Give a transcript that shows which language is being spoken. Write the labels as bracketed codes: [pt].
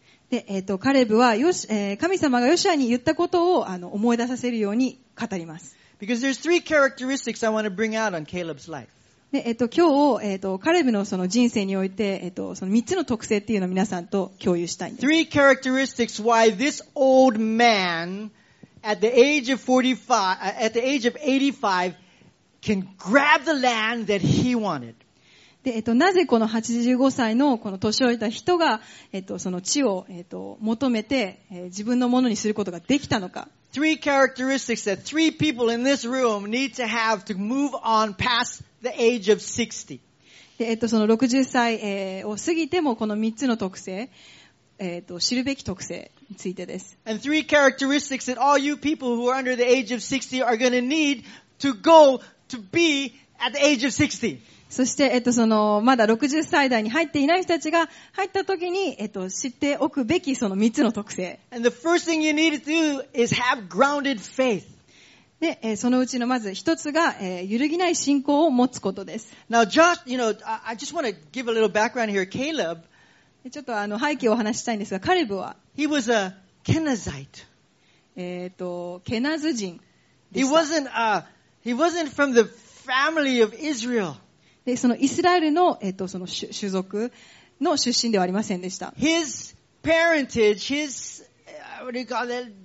[ja] で、カレブは神様がヨシュアに言ったことを思い出させるように語ります。 [en] Because there's three characteristics I want to bring out on Caleb's life. [ja] で、今日、カレブのその人生において、その三つの特性っていうのを皆さんと共有したいんです。 [en] Three characteristics why this old man at the age of 45, at the age of 85 can grab the land that he wanted. [ja] で、なぜこの85歳のこの年老いた人が、その地を、求めて、自分のものにすることができたのか。 [en] Three characteristics that three people in this room need to have to move on past the age of 60. [ja] で、その60歳、を過ぎてもこの3つの特性、知るべき特性についてです。 [en] And three characteristics that all you people who are under the age of 60 are going to need to go to be at the age of 60. [ja] そして、その、まだ60歳代に入っていない人たちが入った時に、知っておくべきその3つの特性。 [en] And the first thing you need to do is have grounded faith. [ja] で、そのうちのまず一つが、揺るぎない信仰を持つことです。 [en] Now, Josh, you know, I just want to give a little background here. Caleb, [ja] ちょっと背景をお話ししたいんですが、カレブは、 [en] He was a Kenazite. [ja] ケナズ人でした。 [en] He wasn't from the family of Israel. [ja] で、そのイスラエルの、その種族の出身ではありませんでした。 [en] His parentage, his, what do you call that?